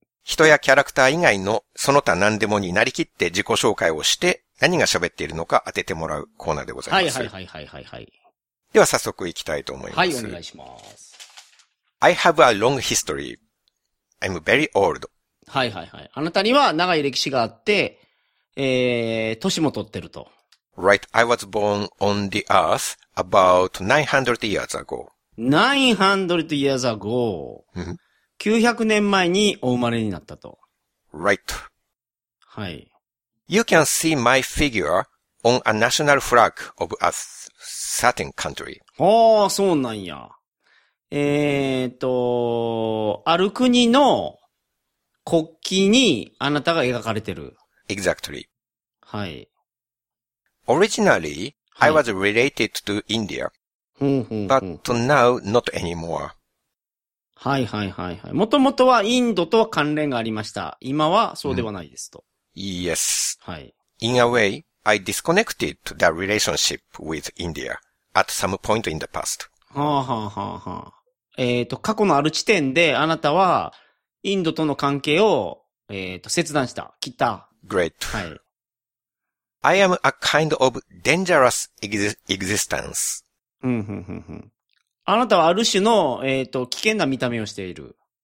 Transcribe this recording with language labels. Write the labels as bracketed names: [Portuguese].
[Japanese] 人やキャラクター以外のその他何でもになりきって自己紹介をして何が喋っているのか当ててもらうコーナーでございます。はいはいはいはいはい。では早速行きたいと思います。はい、お願いします。 [English] I have a long history. I'm very old. [Japanese] はいはいはい。あなたには長い歴史があって、歳も取ってると。 [English] Right, I was born on the earth about 900 years ago. 900 years ago. [Japanese] 900年前にお生まれになったと。 [English] Right. [Japanese] はい。 [English] You can see my figure on a national flag of a certain country. [Japanese] ああ、そうなんや。ある国の国旗にあなたが描かれてる。 [English] Exactly. [Japanese] はい。 [English] Originally, I was related to India, but now not anymore. [Japanese] はいはいはいはい。もともとはインドとは関連がありました。今はそうではないですと。 [English] Yes. [Japanese] はい。 [English] In a way, I disconnected the relationship with India at some point in the past. [Japanese] はあはあはあはあ。過去のある地点であなたはインドとの関係を、切断した。切った。 [English] Great. [Japanese] はい。 [English] I am a kind of dangerous existence. [Japanese] あなたはある種の、危険な見た目をしている。